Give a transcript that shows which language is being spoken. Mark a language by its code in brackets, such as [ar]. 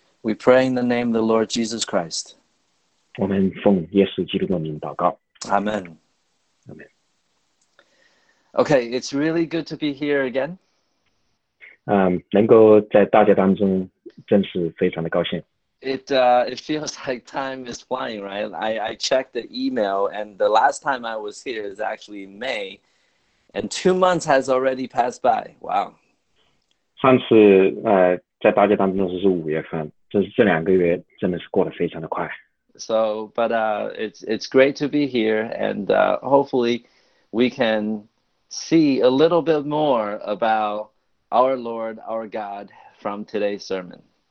[en] We pray in the name of the Lord Jesus Christ. [zh] 我们奉耶稣基督的名祷告。 [en] Amen. Amen. Okay, it's really good to be here again. [zh] 能够在大家当中真是非常的高兴。 [en] It feels like time is flying, right? I checked the email, and the last time I was here is actually May, and 2 months has already passed by. Wow. [zh] 上次在大家当中是五月份，就是这两个月真的是过得非常的快。 [en] So, it's great to be here, and hopefully we can see a little bit more about our Lord, our God, from today's sermon.